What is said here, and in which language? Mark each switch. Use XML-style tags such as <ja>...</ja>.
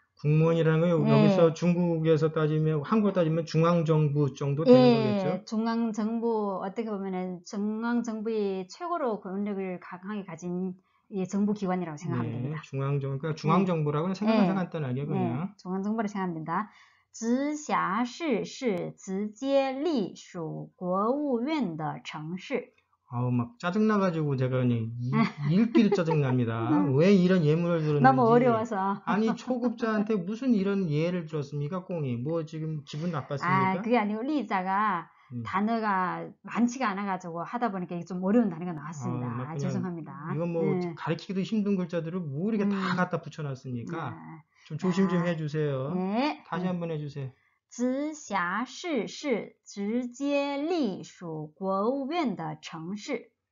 <ko>공무원이라는 건 여기서 중국에서 따지면, 한국 따지면 중앙정부 정도 되는 거겠죠? 중앙정부, 어떻게 보면은 중앙정부의 최고로 권력을 강하게 가진 정부기관이라고 생각하면 됩니다. 네, 중앙정부, 그러니까 중앙정부라고는 생각만 생각했다는 얘기예요, 그냥. 중앙정부를 생각하면 됩니다.</ko> <zh>直辖市是直接隶属国务院的城市.</zh> <ko>아우, 막 짜증나가지고 제가 그냥 읽기도 짜증납니다. 왜 이런 예문을 너무 들었는지. 어려워서. 아니, 초급자한테 무슨 이런 예를 들었습니까, 꽁이? 뭐 지금 기분 아, 나빴습니까? 그게 아니고 리자가 단어가 많지가 않아가지고 하다 보니까 이게 좀 어려운 단어가 나왔습니다. 아, 막 그냥 죄송합니다. 이거 뭐 가르치기도 힘든 글자들을 뭐 이렇게 다 갖다 붙여놨습니까? 좀 조심 좀 해주세요. 다시 한번 해주세요.</ko> <zh>直辖市是 直接隶属国务院的城市.</zh>